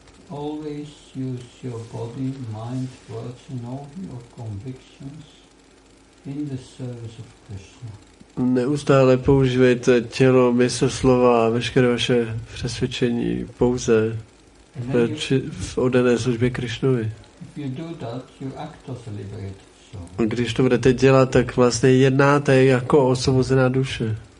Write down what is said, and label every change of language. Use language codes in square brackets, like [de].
[en] Always use your body, mind, words and all your convictions in the service of Krishna. [cs] Neustále používejte tělo, mysl, slova a veškeré vaše přesvědčení pouze v oddané službě Krishnovi. [en] If you do that, you act as a liberated soul. [cs] Když to budete dělat, tak vlastně jednáte jako osvobozená duše.